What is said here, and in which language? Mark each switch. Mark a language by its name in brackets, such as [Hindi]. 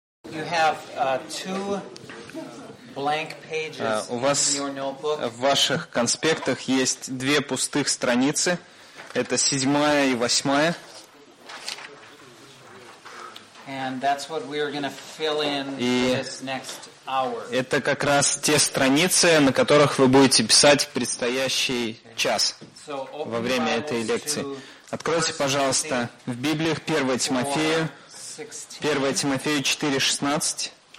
[English] You have two blank pages in your notebook. [Russian] В ваших конспектах есть две пустых страницы. Это седьмая и восьмая. [English] And that's what we are going to fill in for this next hour. [Russian] Это как раз те страницы, на которых вы будете писать предстоящий час во время этой лекции. Откройте, пожалуйста, в Библиях 1 Тимофею 4:16.